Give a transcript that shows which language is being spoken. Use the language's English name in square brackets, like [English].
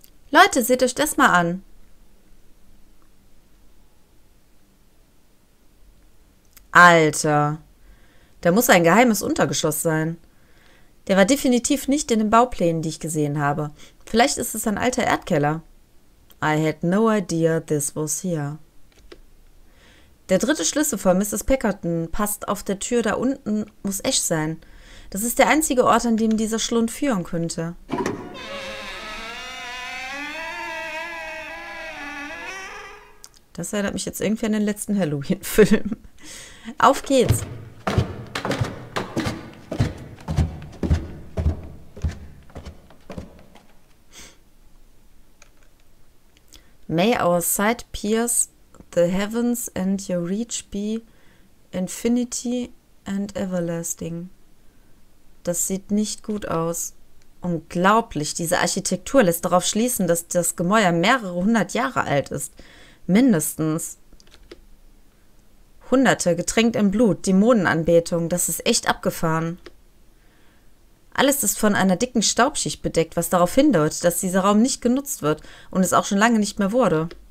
[German] Leute, seht euch das mal an. Alter. Da muss ein geheimes Untergeschoss sein. Der war definitiv nicht in den Bauplänen, die ich gesehen habe. Vielleicht ist es ein alter Erdkeller. [English] I had no idea this was here. [German] Der dritte Schlüssel von Mrs. Packardon passt auf der Tür da unten, muss Ash sein. Das ist der einzige Ort, an dem dieser Schlund führen könnte. Da Das erinnert mich jetzt irgendwie an den letzten Halloween-Film. Auf geht's! [English] May our sight pierce the heavens and your reach be infinity and everlasting. [German] Das sieht nicht gut aus. Unglaublich, diese Architektur lässt darauf schließen, dass das Gemäuer mehrere hundert Jahre alt ist. Mindestens. Hunderte, getränkt im Blut, Dämonenanbetung, das ist echt abgefahren. Alles ist von einer dicken Staubschicht bedeckt, was darauf hindeutet, dass dieser Raum nicht genutzt wird und es auch schon lange nicht mehr wurde.